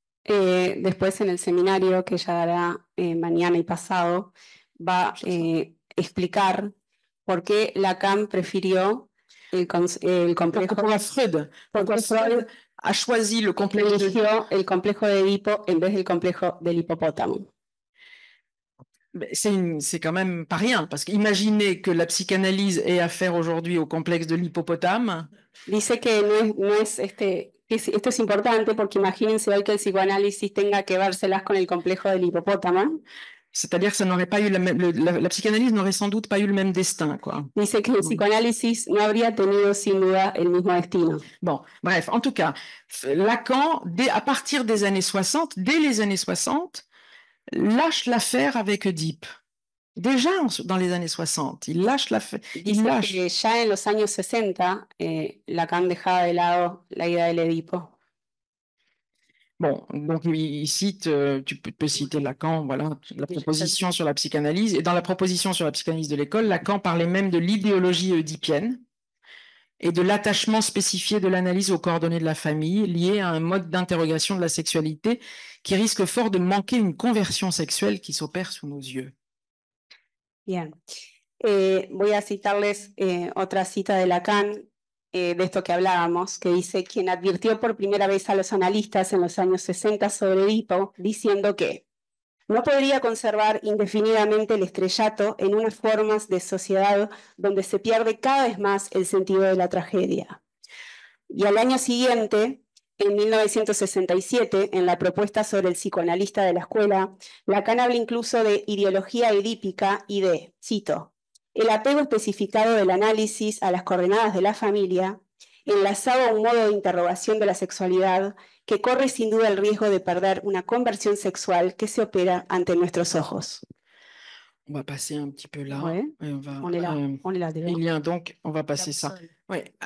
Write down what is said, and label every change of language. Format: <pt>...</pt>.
<es>Después, en el seminario que ella dará mañana y pasado, va explicar por qué Lacan prefirió el complejo.</es> <fr>Freud a choisi le complexe</fr> <es>eligió el complejo de Edipo en vez del complejo del hippopotamo.</es> <fr>C'est quand même pas rien, parce qu'imaginez que la psychanalyse ait affaire aujourd'hui au complexe de l'hippopotame.</fr> <es>Dice que esto es importante porque imagínense hoy que el psicoanálisis tenga que vérselas con el complejo del hippopótamo.</es> <fr>C'est-à-dire que ça n'aurait pas eu la psychanalyse n'aurait sans doute pas eu le même destin, quoi.</fr> <es>Dice que el psicoanálisis no habría tenido sin duda el mismo destino.</es> <fr>Bon, bref, en tout cas, Lacan, à partir des années 60, dès les années 60, lâche l'affaire avec Oedipe. Déjà dans les années 60, il lâche l'affaire. Il lâche. Déjà</fr> <es>en los años 60, Lacan dejaba de lado la idea del Edipo.</es> <fr>Bon, donc il cite, tu peux citer Lacan, voilà, la proposition sur la psychanalyse. Et dans la proposition sur la psychanalyse de l'école, Lacan parlait même de l'idéologie oedipienne et de l'attachement spécifié de l'analyse aux coordonnées de la famille liées à un mode d'interrogation de la sexualité qui risque fort de manquer une conversion sexuelle qui s'opère sous nos yeux. Bien.</fr> <es>Voy a citarles otra cita de Lacan. De esto que hablábamos, que dice quien advirtió por primera vez a los analistas en los años 60 sobre Edipo, diciendo que no podría conservar indefinidamente el estrellato en unas formas de sociedad donde se pierde cada vez más el sentido de la tragedia. Y al año siguiente, en 1967, en la propuesta sobre el psicoanalista de la escuela, Lacan habla incluso de ideología edípica y de, cito, el apego especificado del análisis a las coordenadas de la familia, enlazado a un modo de interrogación de la sexualidad, que corre sin duda el riesgo de perder una conversión sexual que se opera ante nuestros ojos.</es> <fr>On va passer un petit peu là. Ouais. Et on va, on est là, on est là déjà. Il y a donc, on va passer ça. Oui.</fr>